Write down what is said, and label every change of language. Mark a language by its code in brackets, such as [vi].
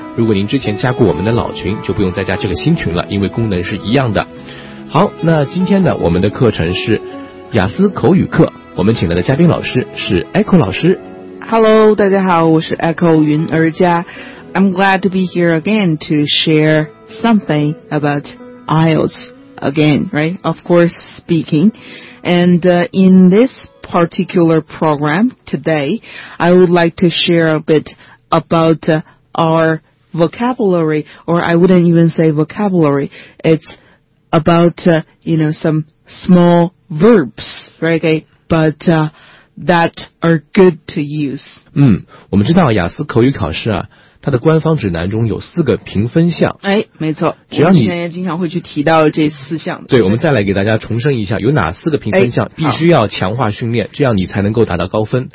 [zh] 如果您之前加过我们的老群，就不用再加这个新群了，因为功能是一样的。好，那今天呢，我们的课程是雅思口语课，我们请来的嘉宾老师是 Echo 老师。 Hello， 大家好，我是 Echo 云儿佳。 [en] I'm glad to be here again to share something about IELTS again, right? Of course, speaking. And in this particular program today, I would like to share a bit about our vocabulary, or I wouldn't even say vocabulary. It's about, you know, some small verbs, right? Okay? But that are good to use. [zh] 我们知道雅思口语考试啊，它的官方指南中有四个评分项。哎，没错，只要你之前也经常会去提到这四项。对，我们再来给大家重申一下，有哪四个评分项必须要强化训练，这样你才能够达到高分。